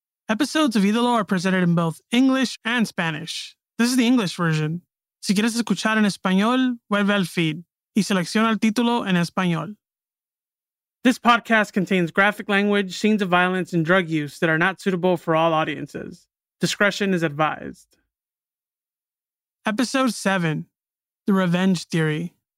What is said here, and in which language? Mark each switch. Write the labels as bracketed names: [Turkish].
[English] Episodes of Ídolo are presented in both English and Spanish. This is the English version. [Spanish] Si quieres escuchar en español, vuelve al feed y selecciona el título en español. [English] This podcast contains graphic language, scenes of violence, and drug use that are not suitable for all audiences. Discretion is advised. Episode 7, The Revenge Theory.